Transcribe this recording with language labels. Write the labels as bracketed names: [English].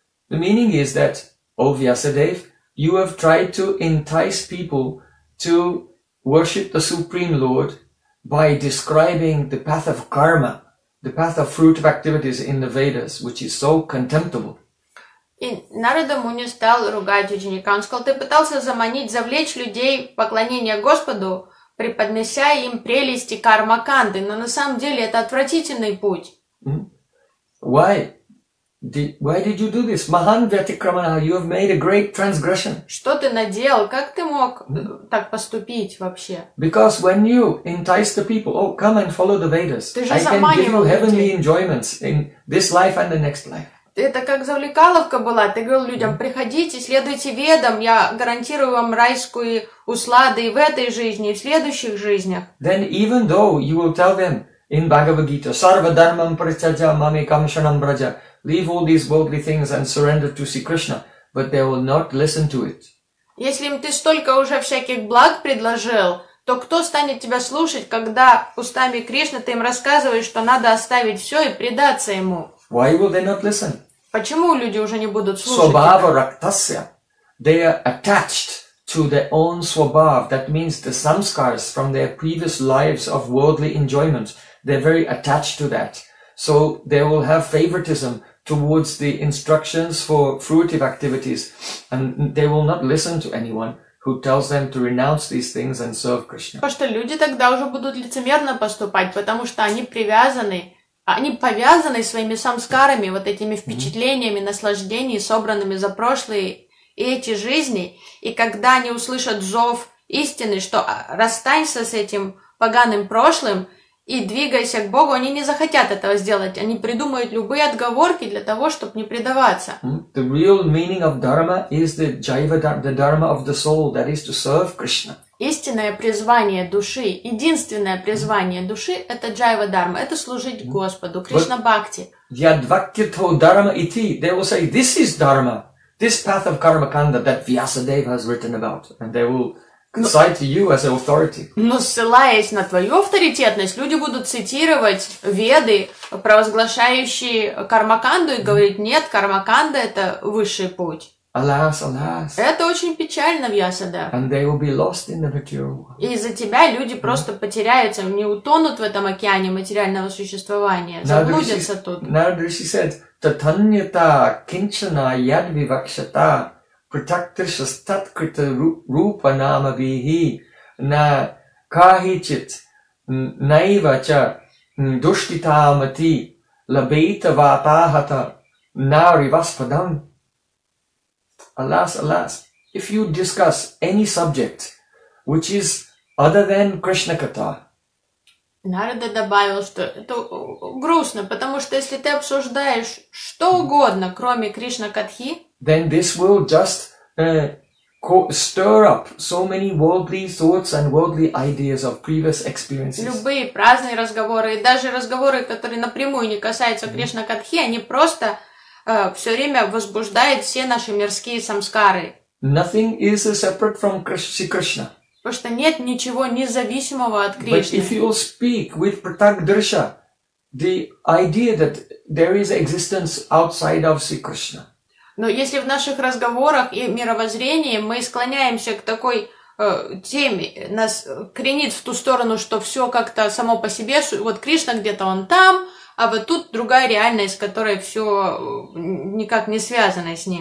[English] The meaning is that, O Vyasadev, you have tried to entice people to worship the Supreme Lord by describing the path of karma, the path of fruitive activities in the Vedas, which is so contemptible. [Russian] И Нарада Муни стал ругать ученика. Он сказал, ты пытался заманить, завлечь людей в поклонение Господу, преподнося им прелести карма-канды, но на самом деле это отвратительный путь. [English] Why did you do this? [Sanskrit] Mahan vyatikramana, [English] you have made a great transgression. [Russian] Что ты наделал? Как ты мог так поступить вообще? [English] Because when you entice the people, oh, come and follow the Vedas. [Russian] Ты же заманивал людей. [English] I can give you heavenly enjoyments in this life and the next life. [Russian] Это как завлекаловка была. Ты говорил людям, приходите, следуйте ведам, я гарантирую вам райскую усладу и в этой жизни, и в следующих жизнях. [English] Then even though you will tell them in Bhagavad Gita, [Sanskrit] sarva dharmam pratyaja mami kamshanam braja, [English] leave all these worldly things and surrender to see Krishna, but they will not listen to it. [Russian] Если им ты столько уже всяких благ предложил, то кто станет тебя слушать, когда устами Кришны ты им рассказываешь, что надо оставить все и предаться ему? [English] Why will they not listen? [Russian] Почему люди уже не будут слушать? [Sanskrit] Swabhava raktasya. [English] They are attached to their own swabhava. That means the samskars from their previous lives of worldly enjoyment. They're very attached to that. So they will have favoritism towards the instructions for fruitive activities. And they will not listen to anyone who tells them to renounce these things and serve Krishna. [Russian] Потому что люди тогда уже будут лицемерно поступать, потому что они привязаны. Они повязаны своими самскарами, вот этими впечатлениями, наслаждениями, собранными за прошлые эти жизни. И когда они услышат зов истины, что расстанься с этим поганым прошлым и двигайся к Богу, они не захотят этого сделать. Они придумают любые отговорки для того, чтобы не предаваться. [English] The real meaning of dharma is the jiva, the dharma of the soul, that is to serve Krishna. [Russian] Истинное призвание души, единственное призвание души – это джайва дарма, это служить Господу, Кришна бхакти. [Sanskrit] Ядвакьято дарма ити. [English] They will say, this is dharma, this path of karma kanda that Vyasadeva has written about, and they will cite to you as an authority. [Russian] Но ссылаясь на твою авторитетность, люди будут цитировать веды, провозглашающие карма канду, и говорить, нет, карма канда – это высший путь. [English] Alas, alas. [Russian] Это очень печально, Вьясадев. [English] And they will be lost in the material world. [Russian] И из-за тебя люди просто потеряются, не утонут в этом океане материального существования, заблудятся тут. [Sanskrit] Narada Rishi [English] said, [Sanskrit] Tatanyata kinchana yad vivakshata pratyaktrishastat krita rupa nama vihi na kahichit naiva cha dushtita amati labeita vatahata na rivaspadam. [English] Alas, alas, if you discuss any subject which is other than Krishna Katha, [Russian] Нарада добавил, что это грустно, потому что если ты обсуждаешь что угодно, кроме Кришна-катхи, [English] then this will just stir up so many worldly thoughts and worldly ideas of previous experiences. [Russian] Любые праздные разговоры и даже разговоры, которые напрямую не касаются Кришна-катхи, они просто все время возбуждают все наши мирские самскары. [English] Nothing is separate from Krishna. [Russian] Потому что нет ничего независимого от Кришны. [English] But if you speak with Pratakdrsha, the idea that there is existence outside of Sri Krishna. [Russian] Но если в наших разговорах и мировоззрении мы склоняемся к такой теме, нас кренит в ту сторону, что все как-то само по себе, вот Кришна где-то он там, а вот тут другая реальность, которая все никак не связана с ним.